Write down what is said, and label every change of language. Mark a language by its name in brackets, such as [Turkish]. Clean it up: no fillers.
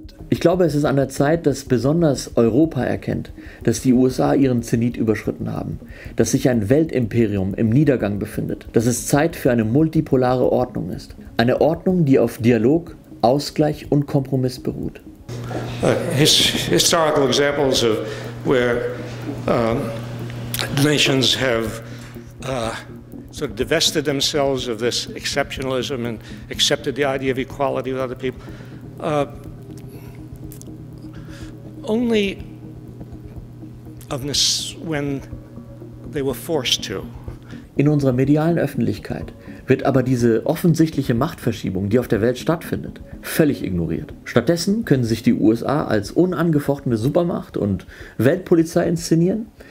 [German] Ich glaube, es ist an der Zeit, dass besonders Europa erkennt, dass die USA ihren Zenit überschritten haben, dass sich ein Weltimperium im Niedergang befindet, dass es Zeit für eine multipolare Ordnung ist. Eine Ordnung, die auf Dialog, Ausgleich und Kompromiss beruht. [English] Historical examples of where nations have sort of divested themselves of this exceptionalism and accepted the idea of equality with other people. Only of this when they were forced to. [German] In unserer medialen Öffentlichkeit wird aber diese offensichtliche Machtverschiebung, die auf der Welt stattfindet, völlig ignoriert. Stattdessen können sich die USA als unangefochtene Supermacht und Weltpolizei inszenieren.